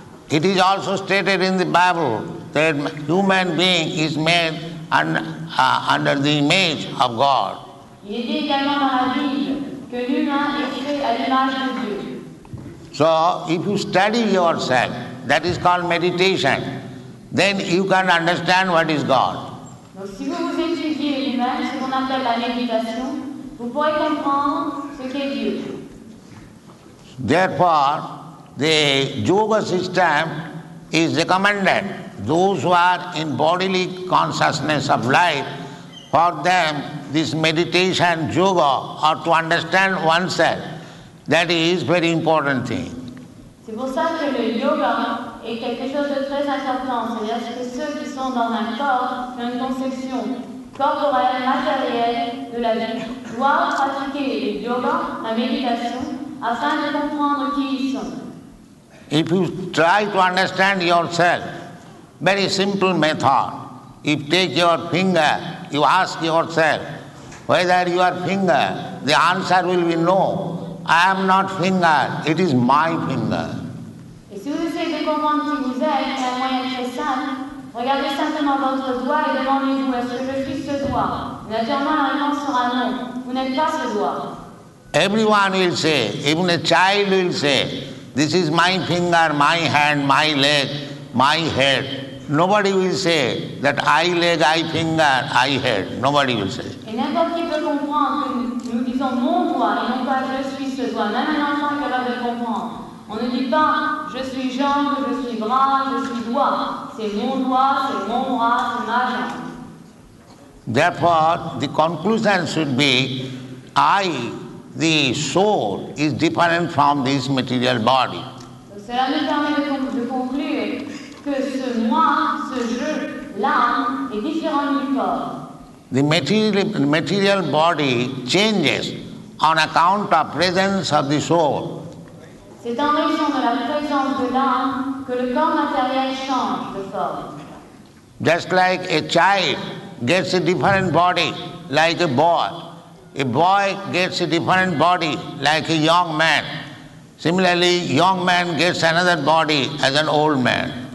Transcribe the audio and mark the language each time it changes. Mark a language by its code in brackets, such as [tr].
[en] It is also stated in the Bible that human being is made under the image of God. [fr] Il est dit également dans la Bible que l'humain est créé à l'image de Dieu. [en] So, if you study yourself, that is called meditation, then you can understand what is God. [fr] Donc, si vous vous étudiez l'humain, ce qu'on appelle la méditation, vous pourrez comprendre ce qu'est Dieu. [en] Therefore, the yoga system is recommended. Those who are in bodily consciousness of life, for them, this meditation, yoga, or to understand oneself, that is very important thing. [fr] C'est pour ça que le yoga est quelque chose de très important. C'est-à-dire que ceux qui sont dans un corps, une conception corporelle, matérielle de la vie, doivent pratiquer le yoga, la méditation, afin de comprendre qui ils sont. [en] If you try to understand yourself, very simple method. If take your finger, you ask yourself, whether you are finger, the answer will be no. I am not finger, it is my finger. [fr] Et si vous essayez de comprendre qui vous êtes, un moyen très simple, regardez simplement votre doigt et demandez-vous, est-ce que je suis ce doigt? Naturellement, la réponse sera non. Vous n'êtes pas ce doigt. [en] Everyone will say, even a child will say, this is my finger, my hand, my leg, my head. Nobody will say that I leg, I finger, I head. Nobody will say. [fr] Et n'importe qui peut comprendre que nous disons mon doigt et non pas je suis ce doigt. Même un enfant est capable de comprendre. On ne dit pas je suis jambe, je suis bras, je suis doigt. C'est mon doigt, c'est mon bras, c'est ma jambe. [en] Therefore, the conclusion should be I, the soul, is different from this material body. [fr] Donc, cela nous permet de conclure que ce moi, ce je, l'âme, est différent du corps. [en] The material body changes on account of presence of the soul. [fr] C'est en raison de la présence de l'âme que le corps matériel change de forme. [en] Just like a child gets a different body, like a boy. A boy gets a different body, like a young man. Similarly, young man gets another body as an old man.